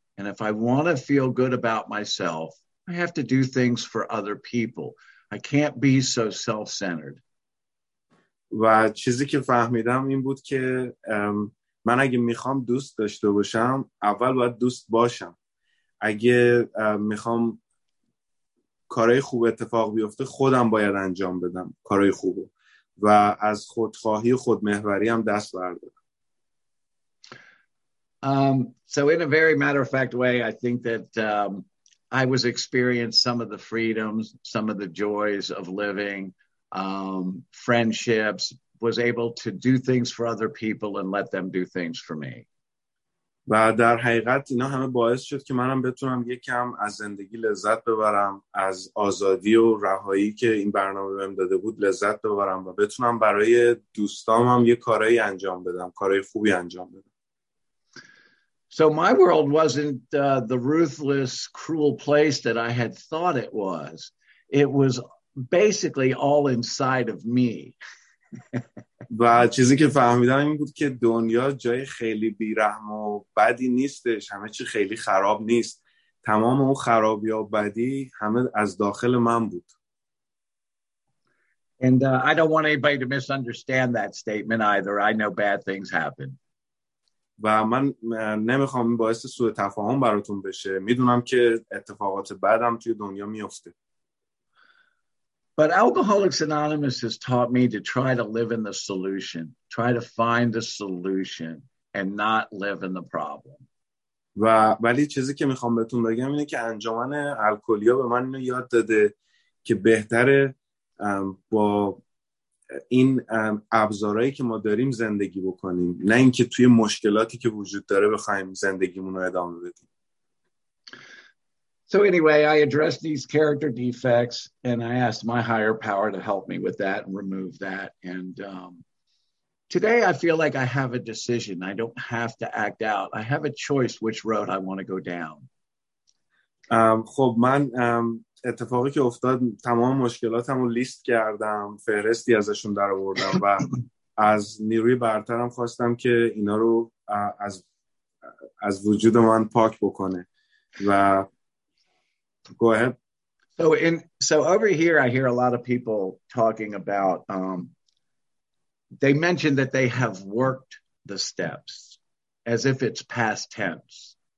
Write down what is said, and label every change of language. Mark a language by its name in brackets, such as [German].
[English] And if I want to feel good about myself, I have to do things for other people. I can't be so self-centered. [Persian] و چیزی که فهمیدم این بود که من اگه میخوام دوست داشته باشم، اول باید دوست باشم. اگه میخوام کارهای خوب اتفاق بیفته، خودم باید انجام بدم کارهای خوبو و از خودخواهی و خودمحوری هم دست بردارم. [English] So in a very matter-of-fact way, I think that I was experiencing some of the freedoms, some of the joys of living, friendships, was able to do things for other people and let them do things for me. [Persian] و در حقیقت اینا همه باعث شد که منم بتونم یکم از زندگی لذت ببرم، از آزادی و رهایی که این برنامه بهم داده بود لذت ببرم و بتونم برای دوستام هم یه کارایی انجام بدم، کارای خوبی انجام بدم. [English] So my world wasn't the ruthless, cruel place that I had thought it was. It was basically all inside of me. [Persian] و چیزی که فهمیدم این بود که دنیا جای خیلی بیرحم و بدی نیستش. همه چی خیلی خراب نیست. تمام اون خرابی و بدی همه از داخل من بود. [English] And I don't want anybody to misunderstand that statement either. I know bad things happen. [Persian] و من نمیخوام این باعث سوء تفاهم براتون بشه، میدونم که اتفاقات بعدم توی دنیا میفته. [English] But Alcoholics Anonymous has taught me to try to live in the solution, try to find the solution and not live in the problem. [Persian] و ولی چیزی که میخوام بهتون بگم اینه که انجمن الکلیا به من اینو یاد داده که بهتره با این ابزارهایی که ما داریم زندگی بکنیم، نه اینکه توی مشکلاتی که وجود داره بخوایم زندگیمونو ادامه بدیم. [English] So anyway, I addressed these character defects and I asked my higher power to help me with that and remove that. And today I feel like I have a decision. I don't have to act out. I have a choice which road I want to go down. [Persian] خب من اتفاقی که افتاد تمام مشکلاتم رو لیست کردم، فهرستی ازشون در آوردم و از نیروی برترم خواستم که اینا رو از وجود من پاک بکنه. [English] و go ahead. So over here I hear a lot of people talking about they mentioned that they have worked the steps as if it's past tense.